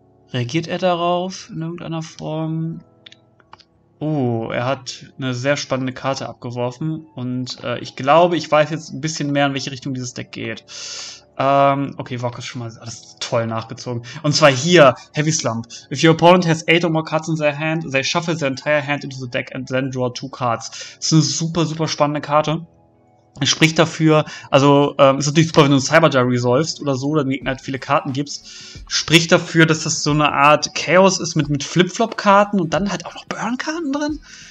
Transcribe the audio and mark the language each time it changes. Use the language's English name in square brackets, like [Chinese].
[German] Reagiert er darauf in irgendeiner Form? Oh, er hat eine sehr spannende Karte abgeworfen. Und ich glaube, ich weiß jetzt ein bisschen mehr, in welche Richtung dieses Deck geht. Okay, Wok ist schon mal alles toll nachgezogen. Und zwar hier, Heavy Slump. [English] If your opponent has 8 or more cards in their hand, they shuffle their entire hand into the deck and then draw 2 cards. [German] Das ist eine super, super spannende Karte. Es spricht dafür, also ist natürlich super, wenn du einen Cyberjar resolvest oder so, oder den Gegner halt viele Karten gibst. Spricht dafür, dass das so eine Art Chaos ist mit Flip-Flop-Karten und dann halt auch noch Burn-Karten drin.